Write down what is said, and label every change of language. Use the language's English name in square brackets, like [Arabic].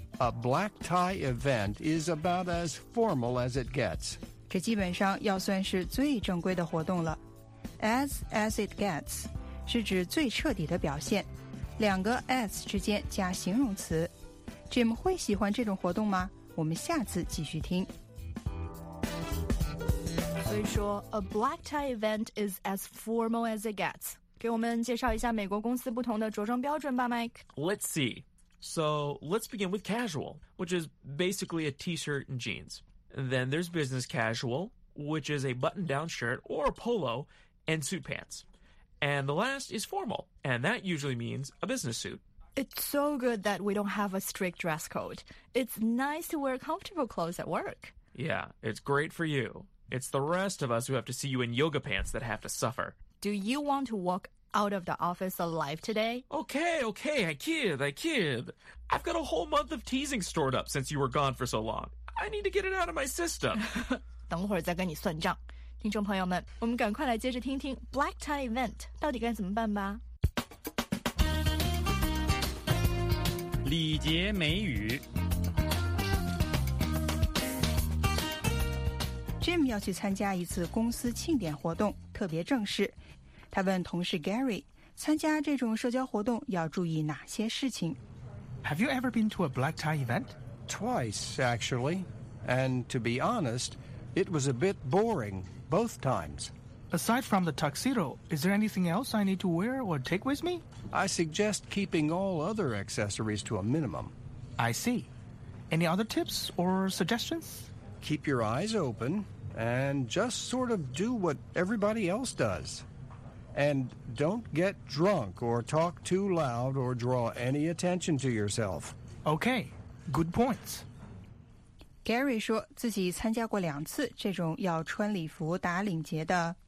[English] A black tie event is about as formal as it gets. [Chinese] 这基本上要算是最正规的活动了。 [English] As it gets [Chinese] 是指最彻底的表现，两个 as 之间加形容词。 Jim 会喜欢这种活动吗？我们下次继续听。所以说 [English] ，a black tie event is as formal as it gets. [Chinese] 给我们介绍一下美国公司不同的着装标准吧 ，Mike. [English] Let's see. So let's begin with casual, which is basically a t-shirt and jeans. Then there's business casual, which is a button-down shirt or a polo and suit pants. And the last is formal, and that usually means a business suit. It's so good that we don't have a strict dress code. It's nice to wear comfortable clothes at work. Yeah, it's great for you. It's the rest of us who have to see you in yoga pants that have to suffer. Do you want to walk out of the office alive today? Okay, I kid. I've got a whole month of teasing stored up since you were gone for so long. I need to get it out of my system. [Chinese] 等会儿再跟你算账。听众朋友们，我们赶快来接着听听 [English] Black Tie Event [Chinese] 到底该怎么办吧。礼节美语 Jim 要去参加一次公司庆典活动，特别正式。他问同事 Gary， 参加这种社交活动要注意哪些事情？ [English] Have you ever been to a black tie event? Twice, actually. And to be honest, it was a bit boring both times. Aside from the tuxedo, is there anything else I need to wear or take with me? I suggest keeping all other accessories to a minimum. I see. Any other tips or suggestions? Keep your eyes open and just sort of do what everybody else does. And don't get drunk or talk too loud or draw any attention to yourself. Okay, good points. [Chinese] Gary 说自己参加过两次这种要穿礼服打领结的